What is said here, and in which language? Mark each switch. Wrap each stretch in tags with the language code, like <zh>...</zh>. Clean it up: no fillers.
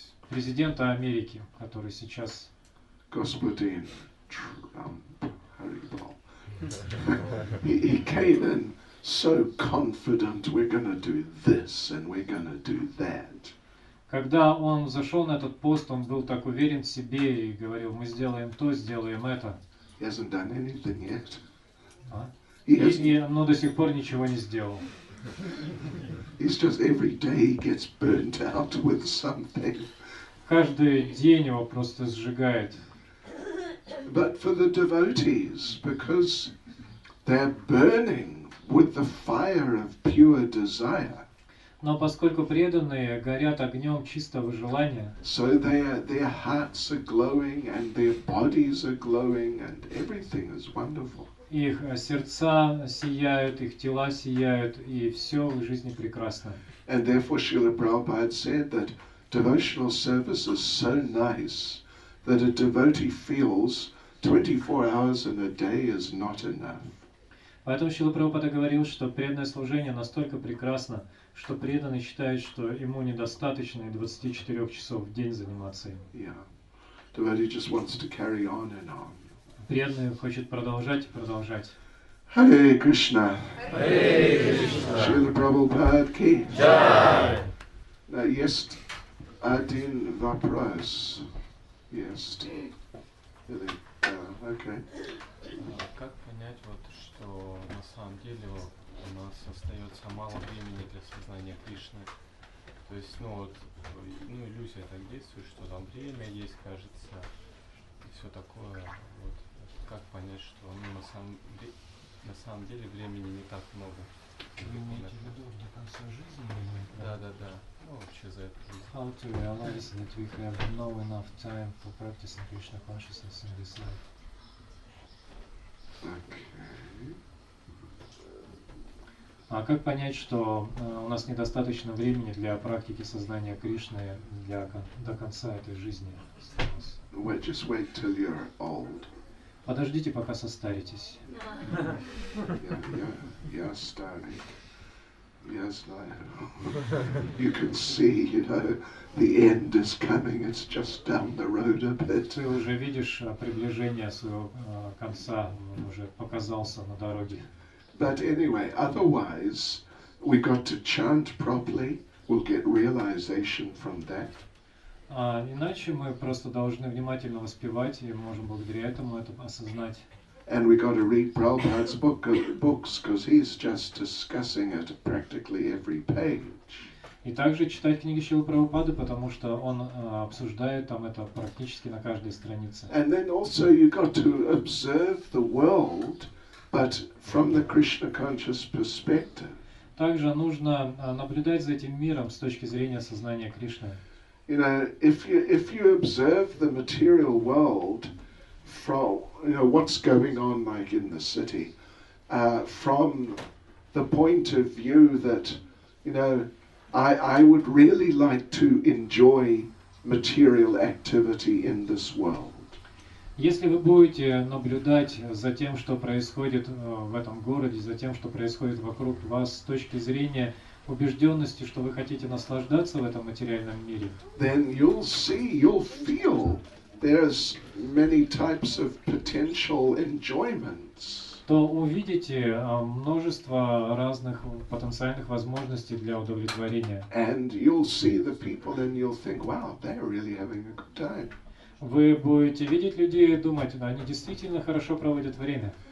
<ru>президента Америки, который сейчас... Господин Трамп, Харибал.</ru> <en>He came in so confident, we're going to do this and we're going to do that.</en> <ru>Когда он зашел на этот пост, он был так уверен в себе и говорил, мы сделаем то, сделаем это.</ru> <en>He hasn't done anything yet.</en> <ru>Но до сих пор ничего не сделал.</ru> <en>He's just every day he gets burnt out with something.</en> <ru>Каждый день его просто сжигает.</ru> <en>But for the devotees, because they're burning with the fire of pure desire.</en> <ru>Но поскольку преданные горят огнем чистого желания.</ru> <en>So their hearts are glowing and their bodies are glowing and everything is wonderful.</en> <ru>Их сердца сияют, их тела сияют, и все в жизни прекрасно.</ru> <en>And therefore Srila Prabhupada said that devotional service is so nice that a devotee feels 24 hours in a day is not enough.</en> <ru>Поэтому Шрила Прабхупада говорил, что преданное служение настолько прекрасно, что преданный считает, что ему недостаточно 24 часов в день заниматься им.</ru> <en>Yeah. Devotee just wants to carry on and on.</en> <ru>Преданный хочет продолжать и продолжать.</ru> <sa>Hare Krishna. Hare Krishna. Srila Prabhupada ki. Jai.</sa> <ru>Now, есть один вопрос. Есть. Или, okay. Как понять, вот, что на самом деле у нас остается мало времени для сознания Кришны? То есть, ну вот, ну иллюзия так действует, что там время есть, кажется, и все такое. Вот. Как понять, что ну, на самом деле времени не так много? Вы имеете в виду до конца жизни? Да. Ну, вообще за это.</ru> <en>How to realize that we have no enough time for practicing Krishna consciousness in this life?</en> <ru>А как понять, что у нас недостаточно времени для практики сознания Кришны для до конца этой жизни?</ru> <en>Wait, just wait till you're old.</en> <ru>Подождите, пока состаритесь.</ru> <en>You're starting. Yes, I am. You can see, you know, the end is coming. It's just down the road a bit.</en> <ru>Ты уже видишь приближение своего конца. Он уже показался на дороге.</ru> <en>But anyway, otherwise, we got to chant properly. We'll get realization from that.</en> <ru>Иначе мы просто должны внимательно воспевать и можем благодаря этому это осознать.</ru> <en>And we got to read Prabhupada's books, because he's just discussing it practically every page.</en> <ru>И также читать книги Шрилы Прабхупады, потому что он обсуждает там это практически на каждой странице.</ru> <en>And then also you got to observe the world, but from the Krishna conscious perspective.</en> <ru>Также нужно наблюдать за этим миром с точки зрения сознания Кришны.</ru> <en>You know, if you observe the material world from, you know, what's going on like in the city, from the point of view that, you know, I would really like to enjoy material activity in this world.</en> <ru>Если вы будете наблюдать за тем, что происходит в этом городе, за тем, что происходит вокруг вас с точки зрения убежденности, что вы хотите наслаждаться в этом материальном мире,</ru> <en>then you'll see, you'll feel there's many types of potential enjoyments.</en> <ru>То увидите множество разных потенциальных возможностей для удовлетворения.</ru> <en>And you'll see the people and you'll think, wow, they're really having a good time.</en> <ru>Вы будете видеть людей и думать, они действительно хорошо проводят время.</ru>